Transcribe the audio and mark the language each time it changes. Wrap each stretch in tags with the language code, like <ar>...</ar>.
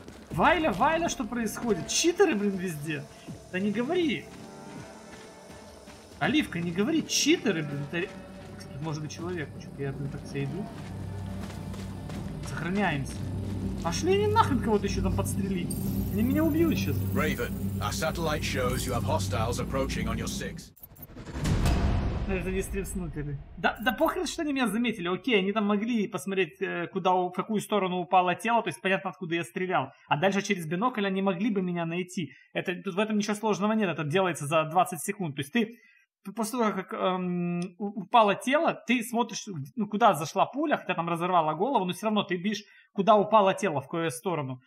<ru>Вайля, Вайля, что происходит? Читеры, блин, везде. Да не говори. Оливка, не говори. Читеры, блин. Это... Тут может быть человек. Что-то я, блин, так все иду. Сохраняемся. Пошли они нахрен кого-то еще там подстрелить. Они меня убьют сейчас.</ru> <en>Raven, our satellite shows you have hostiles approaching on your six.</en> <ru>Это не стрим-снукеры. Да похрен, что они меня заметили. Окей, они там могли посмотреть, куда, в какую сторону упало тело. То есть понятно, откуда я стрелял. А дальше через бинокль они могли бы меня найти. Это, тут в этом ничего сложного нет. Это делается за 20 секунд. То есть ты после того, как упало тело, ты смотришь, ну, куда зашла пуля, хотя там разорвала голову, но все равно ты видишь, куда упало тело, в какую сторону.</ru>